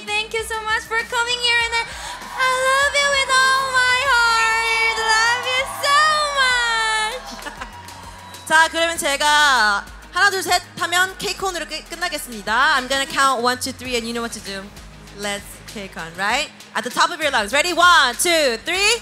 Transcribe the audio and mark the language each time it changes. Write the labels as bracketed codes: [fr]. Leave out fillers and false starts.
[en] Thank you so much for coming here, and I love you with all my heart. Love you so much. [ko] 자, 그러면 제가 하나 둘 셋 하면 K-Con으로 끝나겠습니다. [en] I'm gonna count 1, 2, 3 and you know what to do. Let's K-Con, right? At the top of your lungs. Ready? 1, 2, 3.